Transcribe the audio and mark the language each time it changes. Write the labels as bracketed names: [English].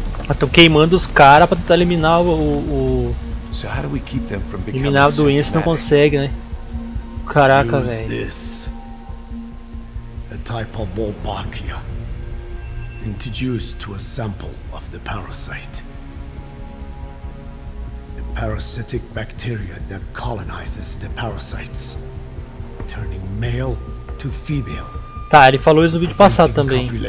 [Portuguese] Estão queimando os caras para tentar eliminar o [English] so how do we keep them from becoming [Portuguese] eliminar a doença, não consegue, né? Caraca, velho. [English] This a type of Wolbachia introduced to a sample of the parasite. A parasitic bacteria that colonizes the parasites, turning male to female. [Portuguese] Tá, ele falou isso no vídeo passado também.